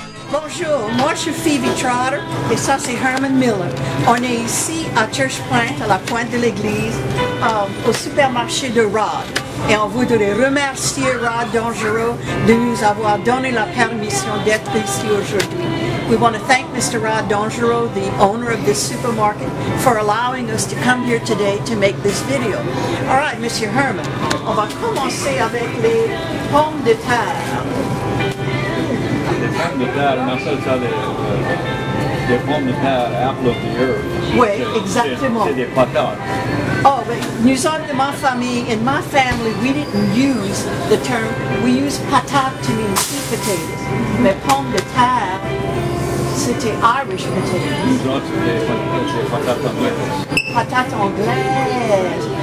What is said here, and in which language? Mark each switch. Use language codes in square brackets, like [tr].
[fr] Bonjour, moi je suis Phoebe Trotter et ça c'est Herman Miller. On est ici à Church Pointe, à la pointe de l'église, au supermarché de Rod. Et on voudrait remercier Rod Dangereux de nous avoir donné la permission d'être ici aujourd'hui. [en] We want to thank Mr. Rod Dangereux, the owner of this supermarket, for allowing us to come here today to make this video. All right, Mr. [fr] Herman, on va commencer avec les pommes de terre. Des pommes de terre, ça, des pommes de terre, apples de terre. Oui, exactement. C'est des patates. Oh, mais nous sommes de ma famille. [en] In my family, we didn't use the term. We use patate to mean sweet potatoes. [fr] Mais pommes de terre, c'était [en] Irish potatoes. [fr] Nous sommes des patates anglaises. Patates anglaises.